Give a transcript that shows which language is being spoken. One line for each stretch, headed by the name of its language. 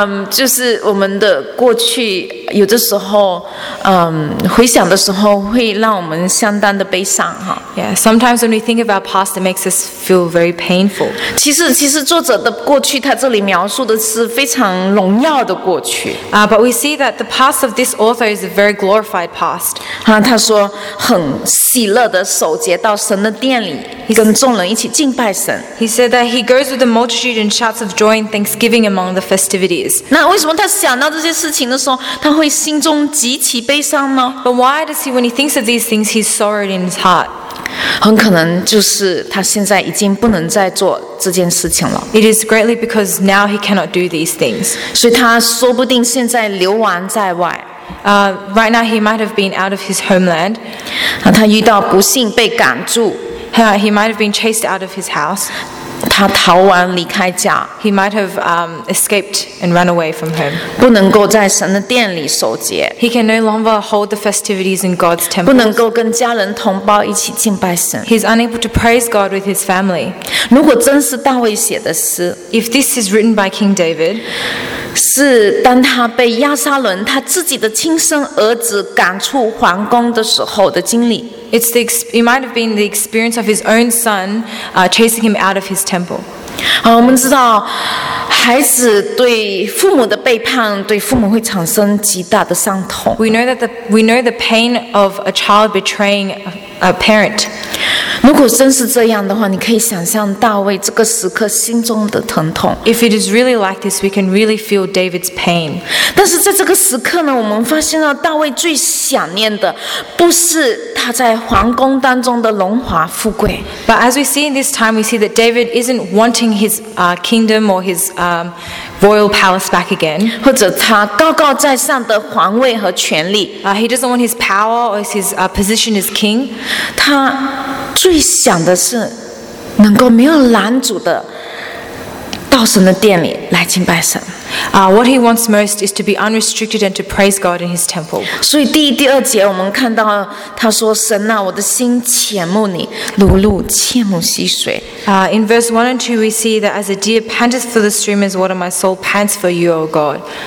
Chinese: 就是我们的过去，有的时候，回想的时候会让我们相当的悲伤哈。
English: Yeah, sometimes when we think of our past, it makes us feel very painful.
Chinese: 其实作者的过去，他这里描述的是非常荣耀的过去。
English: But we see that the past of this author is a very glorified past.
Chinese: 他说很喜乐的守节到神的殿里，跟众人一起敬拜神。
English: He said that he goes with the multitude in shouts of joy and thanksgiving among the festivities.
Chinese: 那为什么他想到这些事情的时候，他会心中极其悲伤呢？
English: But why does he, when he thinks of these things, he's sorrowed in his heart?
Chinese: 很可能就是他现在已经不能再做这件事情了。
English: It is greatly because now he cannot do these things.
Chinese: 所以他说不定现在流亡在外。
English: Right now he might have been out of his homeland.
Chinese: 他遇到不幸被赶住。
English: He might have been chased out of his house.
Chinese: 他逃亡离开家。
English: He might have escaped and run away from home.
Chinese: 不能够在神的殿里守节。
English: He can no longer hold the festivities in God's temple.
Chinese: 不能够跟家人同胞一起敬拜神。
English: He's unable to praise God with his family.
Chinese: 如果真是大卫写的诗，
English: If this is written by King David,
Chinese: 是当他被亚沙伦他自己的亲生儿子赶出皇宫的时候的经历。
English: It's the it might have been the experience of his own son, chasing him out of his temple.
Chinese: 我们知道，孩子对父母的背叛，对父母会产生极大的伤痛。
English: We know the pain of a child betraying a parent.
Chinese: 如果真是这样的话，你可以想象大卫这个时刻心中的疼痛。
English: If it is really like this, we can really feel David's pain.
Chinese: 但是在这个时刻呢，我们发现了大卫最想念的不是他在皇宫当中的荣华富贵。
English: But as we see in this time, we see that David isn't wanting his kingdom or his royal palace back again.
Chinese: 或者他高高在上的皇位和权力。
English: He doesn't want his power or his position as king.
Chinese: 他最想的是能够没有拦阻的到神的殿里来敬拜神。
English: What he wants most is to be unrestricted and to praise God in his temple.
Chinese: 所以第二节我们看到他说神啊，我的心切慕你，如鹿切慕溪水。
English: In verse 1 and 2 we see that as a deer panteth for the stream is water, my soul pants for you, O God.